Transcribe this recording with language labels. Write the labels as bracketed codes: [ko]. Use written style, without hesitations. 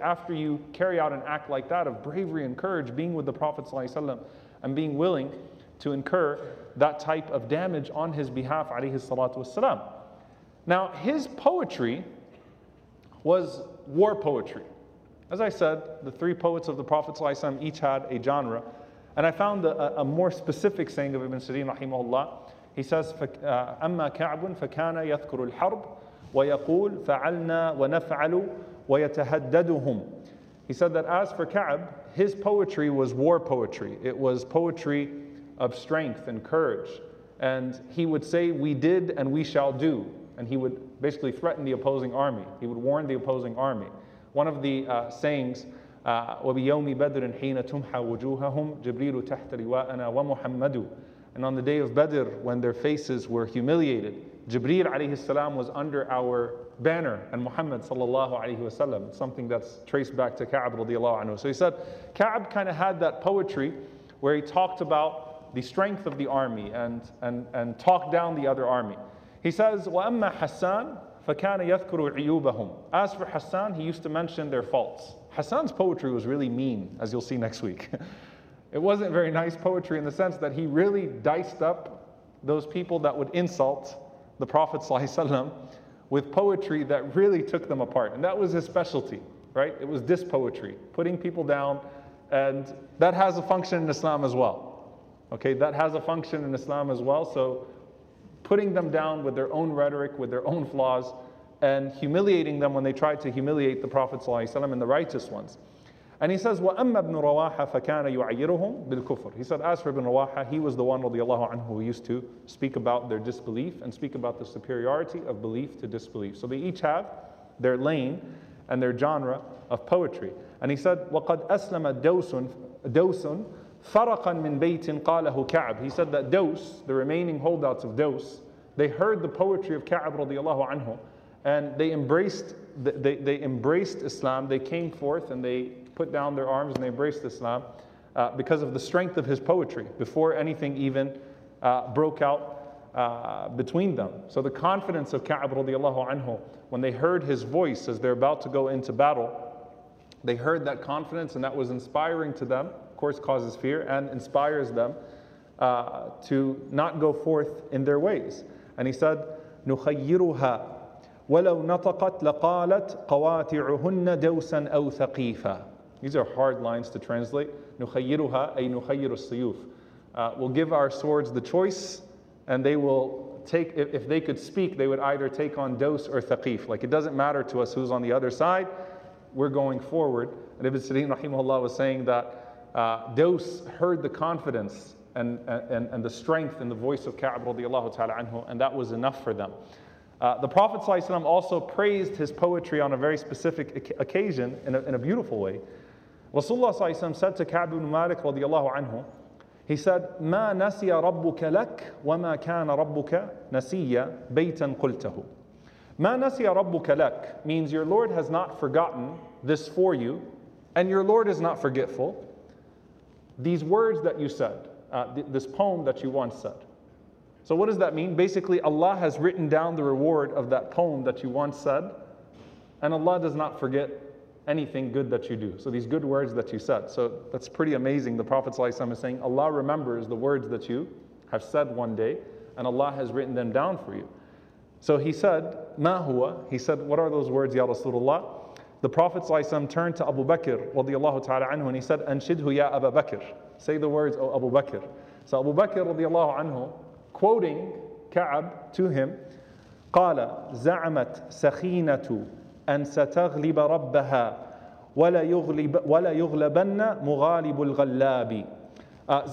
[en] After you carry out an act like that of bravery and courage, being with the Prophet ﷺ, and being willing to incur that type of damage on his behalf, alayhi salatu wasalam. Now, his poetry was war poetry. As I said, the three poets of the Prophet ﷺ each had a genre. And I found a more specific saying of Ibn Sirin, rahimahullah. He says, [ar] أَمَّا كَعْبٌ فَكَانَ يَذْكُرُ الْحَرْبُ وَيَقُولُ فَعَلْنَا وَنَفْعَلُ وَيَتَهَدَّدُهُمْ. [en] He said that as for Ka'b, his poetry was war poetry. It was poetry of strength and courage. And he would say, we did and we shall do. And he would basically threaten the opposing army. He would warn the opposing army. One of the sayings, [ar] وَبِيَوْمِ بَدْرٍ حِينَ تُمْحَى وُجُوهَهُمْ جِبْرِيلُ تَحْتَ لِوَاءَنَا وَمُحَمَّدُ. [en] And on the day of Badr, when their faces were humiliated, Jibreel alayhi salam was under our banner, and Muhammad sallallahu alayhi wa sallam, something that's traced back to Ka'b radiallahu anhu. So he said, Ka'b kind of had that poetry where he talked about the strength of the army and talked down the other army. He says, [ar] وَأَمَّا حَسَّان فَكَانَ يَذْكُرُ عِيُوبَهُمْ. [en] As for Hassan, he used to mention their faults. Hassan's poetry was really mean, as you'll see next week. It wasn't very nice poetry in the sense that he really diced up those people that would insult the Prophet ﷺ with poetry that really took them apart. And that was his specialty, right? It was this poetry, putting people down. And that has a function in Islam as well. Okay, that has a function in Islam as well. So putting them down with their own rhetoric, with their own flaws, and humiliating them when they tried to humiliate the Prophet ﷺ and the righteous ones. And he says, [ar] وَأَمَّا ابْنُ رَوَاحَ فَكَانَ يُعَيِّرُهُمْ بِالْكُفْرِ. [en] He said, as for ibn Rawaha, he was the one radiallahu anhu who used to speak about their disbelief and speak about the superiority of belief to disbelief. So they each have their lane and their genre of poetry. And he said, [ar] وَقَدْ أَسْلَمَ دَوْسٌ فَرَقًا مِّن بَيْتٍ قَالَهُ كَعْبٌ. [en] He said that Dawes, the remaining holdouts of Dawes, they heard the poetry of Ka'b radiallahu anhu, and they embraced Islam. They came forth and they put down their arms and they embraced Islam because of the strength of his poetry before anything even broke out between them. So the confidence of Ka'b radiallahu anhu, when they heard his voice as they're about to go into battle, they heard that confidence, and that was inspiring to them. Of course, causes fear and inspires them to not go forth in their ways. And he said, [ar] نُخَيِّرُهَا وَلَوْ نَطَقَتْ لَقَالَتْ قَوَاتِعُهُنَّ دَوْسًا أَوْ ثَقِيفًا. [en] These are hard lines to translate. [ar] نُخَيِّرُهَا أي نُخَيِّرُ السَّيُوفِ. [en] We'll give our swords the choice, and they will take, if they could speak, they would either take on Dawes or Thaqif. Like, it doesn't matter to us who's on the other side, we're going forward. And Ibn Sirin rahimahullah was saying that Dawes heard the confidence and the strength in the voice of Ka'b radiallahu ta'ala anhu, and that was enough for them. The Prophet ﷺ also praised his poetry on a very specific occasion in a beautiful way. Rasulullah ﷺ said to Ka'b ibn Malik radiallahu anhu, he said, [ar] مَا نَسِيَ رَبُّكَ لَكْ وَمَا كَانَ رَبُّكَ نَسِيَّ بَيْتًا قُلْتَهُ. مَا نَسِيَ رَبُّكَ لَكْ [en] means your Lord has not forgotten this for you, and your Lord is not forgetful these words that you said, this poem that you once said. So what does that mean? Basically, Allah has written down the reward of that poem that you once said, and Allah does not forget anything good that you do. So these good words that you said. So that's pretty amazing. The Prophet ﷺ is saying, Allah remembers the words that you have said one day, and Allah has written them down for you. So he said, [ar] مَا هُوَ? [en] He said, what are those words, Ya Rasulullah? The Prophet ﷺ turned to Abu Bakr radiallahu ta'ala anhu, and he said, [ar] أَنْشِدْهُ يَا أَبَا بَكِرْ. [en] Say the words, O Abu Bakr. So Abu Bakr radiallahu anhu, quoting Ka'b to him, [ar] قَالَ زَعَمَتْ سَخِينَةُ أَنْ سَتَغْلِبَ رَبَّهَا وَلَا يُغْلَبَنَّ مُغَالِبُ الْغَلَّابِ.